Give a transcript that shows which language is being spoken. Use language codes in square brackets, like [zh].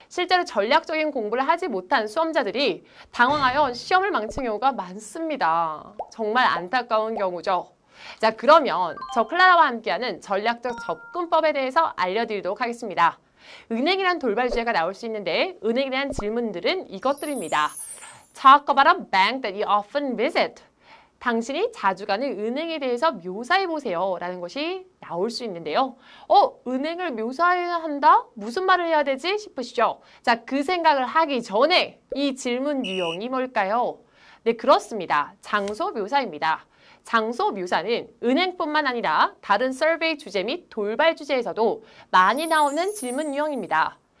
[ko] 실제로 전략적인 공부를 하지 못한 수험자들이 당황하여 시험을 망친 경우가 많습니다. 정말 안타까운 경우죠. 자, 그러면 저 클라라와 함께하는 전략적 접근법에 대해서 알려드리도록 하겠습니다. 은행이란 돌발 주제가 나올 수 있는데 은행에 대한 질문들은 이것들입니다. [en] Talk about a bank that you often visit. [ko] 당신이 자주 가는 은행에 대해서 묘사해보세요 라는 것이 나올 수 있는데요. 은행을 묘사해야 한다? 무슨 말을 해야 되지? 싶으시죠? 자, 그 생각을 하기 전에 이 질문 유형이 뭘까요? 네, 그렇습니다. 장소 묘사입니다. 장소 묘사는 은행뿐만 아니라 다른 서베이 주제 및 돌발 주제에서도 많이 나오는 질문 유형입니다.